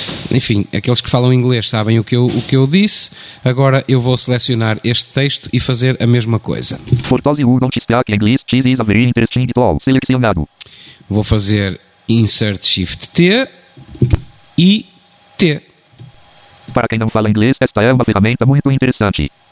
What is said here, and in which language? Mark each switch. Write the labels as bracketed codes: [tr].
[pt] Enfim, aqueles que falam inglês sabem o que eu disse. Agora eu vou selecionar este texto e fazer a mesma coisa. [en] For those who don't speak English, this is a very interesting tool. [pt] Selecionado. Vou fazer Insert Shift T e T. Para quem não fala inglês, esta é uma ferramenta muito interessante.